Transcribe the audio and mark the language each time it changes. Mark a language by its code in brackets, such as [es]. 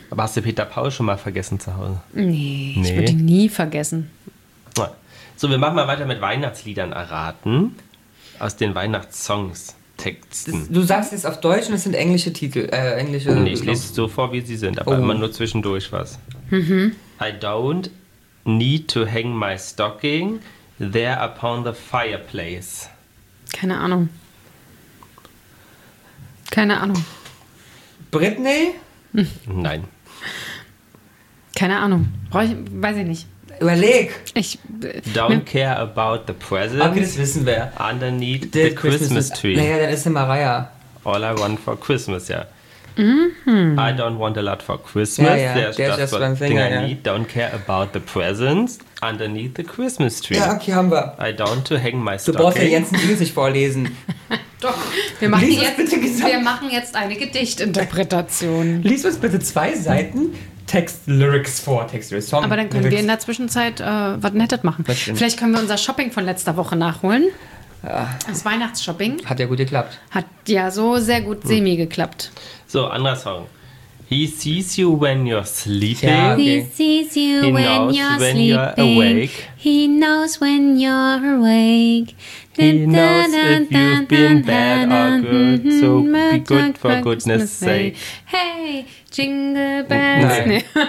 [de] Aber hast du Peter Paul schon mal vergessen zu Hause? Nee. Ich würde ihn nie vergessen. So, wir machen mal weiter mit Weihnachtsliedern erraten. Aus den Weihnachtssongs Texten. Du sagst es auf Deutsch und es sind englische Titel. Nee, ich lese es so vor, wie sie sind, aber immer nur zwischendurch was. Mhm. [en] I don't need to hang my stocking. There upon the fireplace. [de] Keine Ahnung. Britney? Nein. Keine Ahnung. Weiß ich nicht. Überleg. [en] Don't care about the present. [de] Okay, das wissen wir. [en] Underneath the Christmas tree. [de] Naja, dann ist es Mariah. [en] All I want for Christmas, ja. Mm-hmm. I don't want a lot for Christmas. [de] Ja, ja. [en] There's just one thing I need. Don't care about the presents underneath the Christmas tree. [de] Ja, okay, haben wir. [en] I don't to hang my [de] stocking. Du brauchst ja Jens ein Lied sich vorlesen. Doch. Wir machen jetzt eine Gedichtinterpretation. Lies uns bitte zwei Seiten Text-Lyrics vor. Text-Lyrics-Song. Aber dann können Lyrics. Wir in der Zwischenzeit was Nettes machen. Bestimmt. Vielleicht können wir unser Shopping von letzter Woche nachholen. Ja. Das Weihnachtsshopping. Hat ja gut geklappt. Hat ja so sehr gut semi geklappt. So, anderer Song. [en] He sees you when you're sleeping. [de] Ja, [en] okay. He sees you when you're awake. He knows when you're awake. He knows if you've been bad or good. So be good for goodness sake. Hey, jingle bells.